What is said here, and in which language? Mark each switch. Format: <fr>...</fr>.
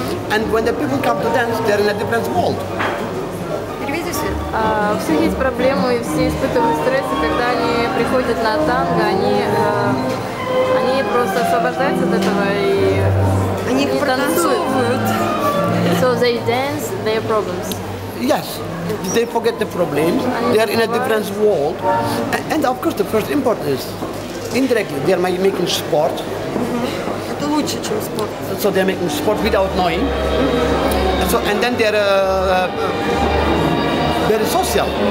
<en>And when the people come to dance, they're in a different world.</en> <ru>У всех есть проблемы, и все испытывают стресс, и когда они приходят на танго, они просто освобождаются от этого и танцуют.</ru> <en>So they dance their problems. Yes, they forget the problems, they are in a different world. And of course the first import is, indirectly, they are making sport.</en> <ru>Это лучше, чем спорт.</ru> <en>So they are making sport without knowing. So, and then they are very social.</en>